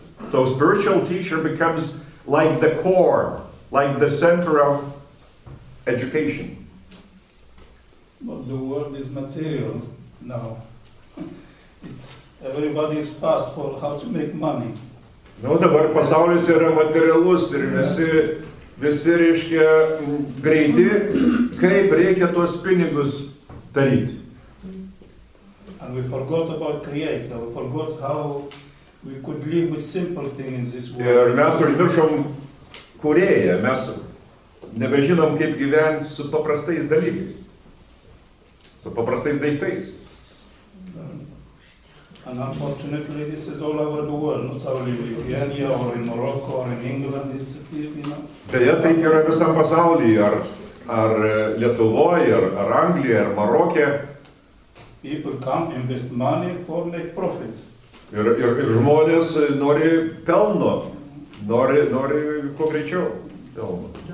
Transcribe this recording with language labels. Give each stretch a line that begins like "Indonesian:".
English: So spiritual teacher becomes like the core, like the center of education. Well, the world is material now. It's everybody is fast for how to make money.
Lithuanian: No, dabar pasaulis yra materialus ir visi. Visi reiškia greiti, kaip reikia tuos pinigus daryti.
English: And we forgot about creator, we forgot how we could live with simple things in this world.
Lithuanian: Ir mes užmiršom kūrėją, mes nebežinom, kaip gyventi su paprastais dalykais, su paprastais daiktais.
English: And unfortunately, this is all over the world, not only in Lithuania, or in Morocco, or in England, it's, you know.
Lithuanian: Deja, taip yra visam pasaulyje, ar Lietuvoje, ar Anglijoje, ar Maroke.
English: People come invest money for make profit.
Lithuanian: Ir žmonės nori pelno, nori kuo greičiau pelno.